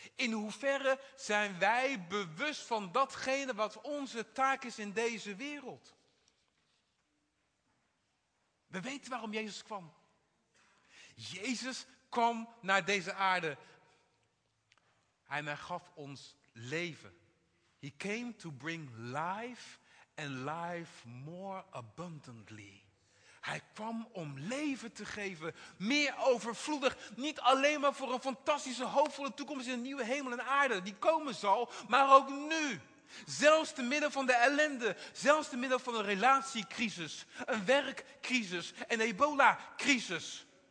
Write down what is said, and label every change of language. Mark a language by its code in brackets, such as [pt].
[nl] In hoeverre zijn wij bewust van datgene wat onze taak is in deze wereld? We weten waarom Jezus kwam. Jezus kwam naar deze aarde. En hij gaf ons leven. [en] He came to bring life and life more abundantly. [nl] Hij kwam om leven te geven, meer overvloedig. Niet alleen maar voor een fantastische, hoopvolle toekomst in een nieuwe hemel en aarde die komen zal, maar ook nu. Zelfs te midden van de ellende, zelfs te midden van een relatiecrisis, een werkcrisis, een ebola-crisis.